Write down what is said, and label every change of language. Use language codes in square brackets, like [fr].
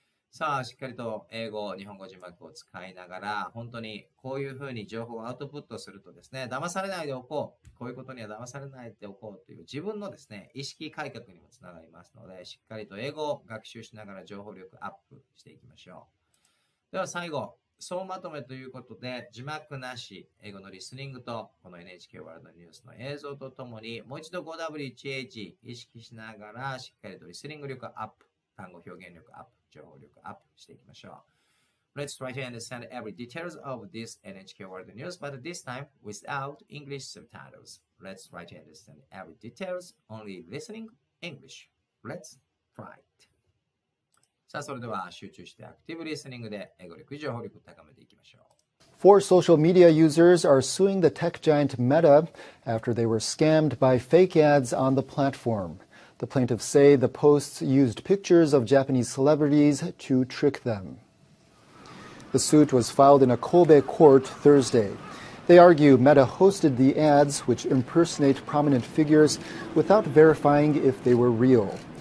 [ja] さあ、しっかりと英語、日本語字幕を使いながら、本当にこういうふうに情報をアウトプットするとですね、騙されないでおこう、こういうことには騙されないでおこうという自分のですね、意識改革にもつながりますので、しっかりと英語を学習しながら情報力アップしていきましょう。では最後、総まとめということで、字幕なし、英語のリスニングと、この NHK ワールドニュースの映像とともに、もう一度 5WHH 意識しながら、しっかりとリスニング力アップ、単語表現力アップ、情報力アップしていきましょう。 [en] Let's try to understand every details of this NHK World News, but this time without English subtitles. Let's try to understand every details, only listening English. Let's try it. [ja] さあ、それでは集中してアクティブリスニングで英語力、情報力を高めていきましょう。 [en] Four social media users are suing the tech giant Meta after they were scammed by fake ads on the platform. The plaintiffs say the posts used pictures of Japanese celebrities to trick them. The suit was filed in a Kobe court Thursday. They argue Meta hosted the ads, which impersonate prominent figures, without verifying if they were real.